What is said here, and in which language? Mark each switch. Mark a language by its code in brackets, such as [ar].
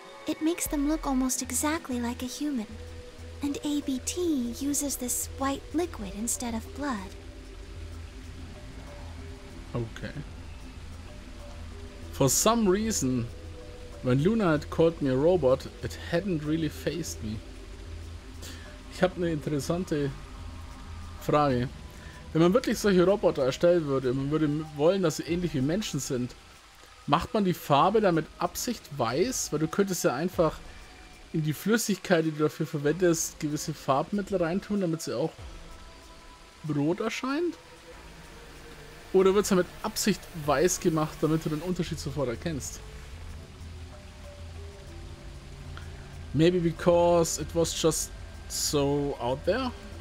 [en] It makes them look almost exactly like a human. And ABT uses this white liquid instead of blood. Okay. For some reason, when Luna had called me a robot, it hadn't really fazed me. [de] Ich habe eine interessante Frage. Wenn man wirklich solche Roboter erstellen würde, man würde wollen, dass sie ähnlich wie Menschen sind, macht man die Farbe dann mit Absicht weiß? Weil du könntest ja einfach in die Flüssigkeit, die du dafür verwendest, gewisse Farbmittel reintun, damit sie auch rot erscheint. Oder wird es ja mit Absicht weiß gemacht, damit du den Unterschied sofort erkennst? [en] Maybe because it was just so out there?